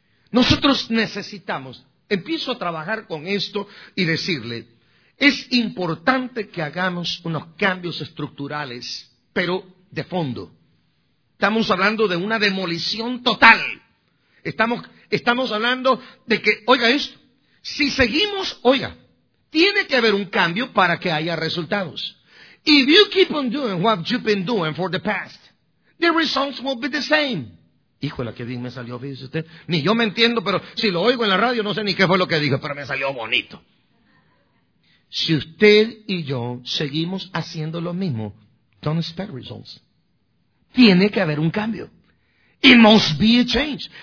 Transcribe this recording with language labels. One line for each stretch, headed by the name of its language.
Spanish: Nosotros necesitamos, empiezo a trabajar con esto y decirle, es importante que hagamos unos cambios estructurales, pero de fondo. Estamos hablando de una demolición total. Estamos hablando de que, oiga esto, si seguimos, oiga, tiene que haber un cambio para que haya resultados.
English: If you keep on doing what you've been doing for the past, the results will be the same.
Spanish: Híjole, qué bien me salió, fíjese usted. Ni yo me entiendo, pero si lo oigo en la radio, no sé ni qué fue lo que dijo, pero me salió bonito. Si usted y yo seguimos haciendo lo mismo,
English: don't expect results.
Spanish: Tiene que haber un cambio.
English: It must be a change.